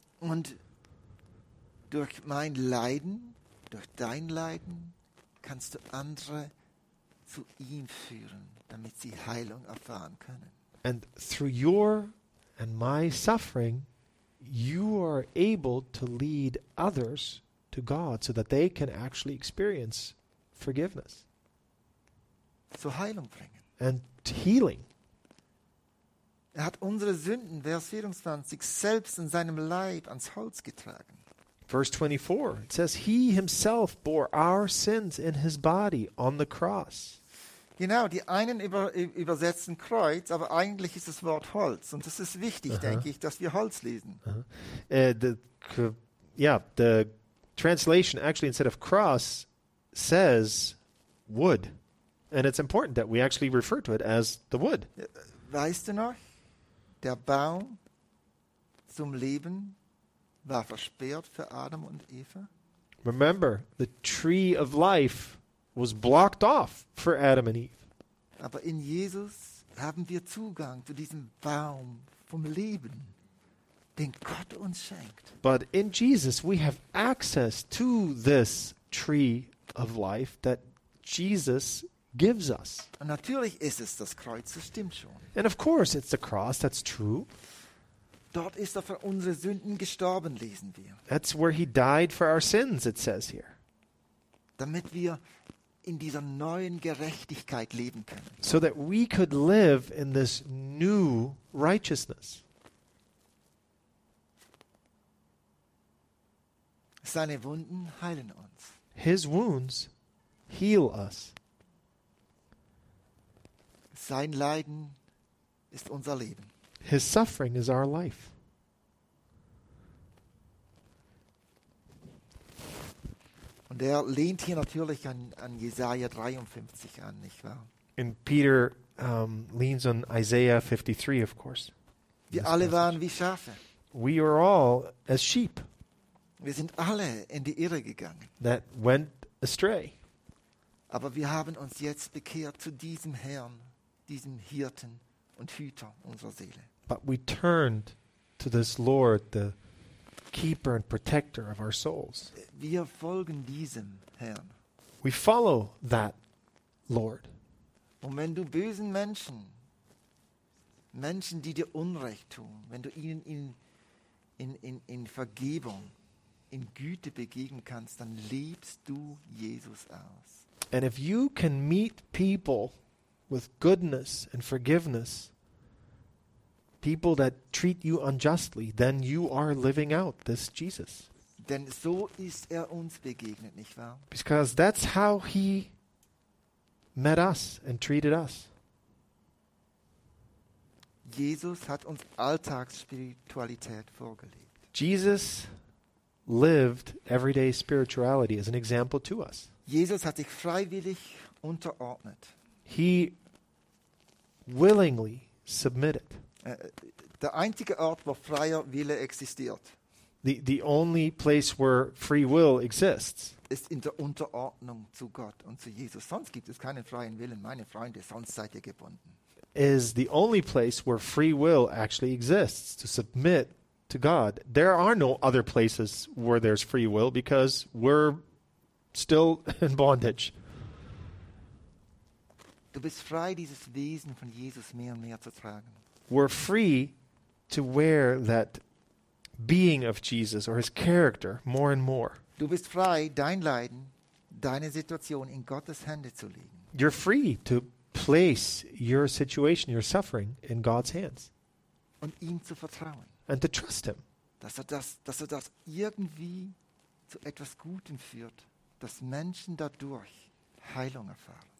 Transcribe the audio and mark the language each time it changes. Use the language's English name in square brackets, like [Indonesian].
[German] Und durch mein Leiden, durch dein Leiden, kannst du andere zu ihm führen, damit sie Heilung erfahren können. [English] And through your and my suffering, you are able to lead others to God so that they can actually experience forgiveness. [German] Zu Heilung bringen. [English] And healing. [German] Er hat unsere Sünden, Vers 24, selbst in seinem Leib ans Holz getragen. [English] Verse 24, it says, he himself bore our sins in his body on the cross. [German] Genau, die einen übersetzen Kreuz, aber eigentlich ist das Wort Holz. Und das ist wichtig, uh-huh, denke ich, dass wir Holz lesen. Uh-huh. [English] The translation actually instead of cross says wood. And it's important that we actually refer to it as the wood. [German] Weißt du noch? Der Baum zum Leben war versperrt für Adam und Eva. [English] Remember, the tree of life was blocked off for Adam and Eve. [German] Aber in Jesus haben wir Zugang zu diesem Baum vom Leben, den Gott uns schenkt. [English] But in Jesus we have access to this tree of life that Jesus gives us. [German] Und natürlich ist es das Kreuz, das stimmt schon. [English] And of course it's the cross, that's true. [German] Dort ist er für unsere Sünden gestorben, lesen wir. [English] That's where he died for our sins, it says here. [German] Damit wir in dieser neuen Gerechtigkeit leben können. [English] So that we could live in this new righteousness. [German] Seine Wunden heilen uns. [English] His wounds heal us. [German] Sein Leiden ist unser Leben. [English] His suffering is our life. [German] Und er lehnt hier natürlich an Jesaja 53 an, nicht wahr? [English] And Peter leans on Isaiah 53, of course. [German] Wir alle waren wie Schafe. [English] We are all as sheep. [German] Wir sind alle in die Irre gegangen. [English] That went astray. [German] Aber wir haben uns jetzt bekehrt zu diesem Herrn, diesem Hirten und Hüter unserer Seele. [English] But we turned to this Lord, the keeper and protector of our souls. [German] Wir folgen diesem Herrn. [English] We follow that Lord. [German] Und wenn du bösen Menschen, die dir Unrecht tun, wenn du ihnen in Vergebung, in Güte begegnen kannst, dann lebst du Jesus aus. [English] And if you can meet people with goodness and forgiveness, people that treat you unjustly, then you are living out this Jesus. [German] Denn so ist er uns begegnet, nicht wahr? [English] Because that's how he met us and treated us. [German] Jesus hat uns Alltagsspiritualität vorgelebt. [English] Jesus lived everyday spirituality as an example to us. [German] Jesus hat sich freiwillig unterordnet. [English] He willingly submitted. [German] Der einzige Ort, wo freier Wille existiert. [English] The only place where free will exists [German] ist in der Unterordnung zu Gott und zu Jesus. Sonst gibt es keinen freien Willen, meine Freunde, sonst seid ihr gebunden. [English] Is the only place where free will actually exists, to submit to God. There are no other places where there's free will, because we're still in bondage. [German] Du bist frei, dieses Wesen von Jesus mehr und mehr zu tragen. [English] We're free to wear that being of Jesus or his character more and more. [German] Du bist frei, dein Leiden, deine Situation in Gottes Hände zu legen. [English] You're free to place your situation, your suffering in God's hands. [German] Und ihm zu vertrauen. [English] And to trust him. [German] Dass er das irgendwie zu etwas Gutem führt, dass Menschen dadurch Heilung erfahren.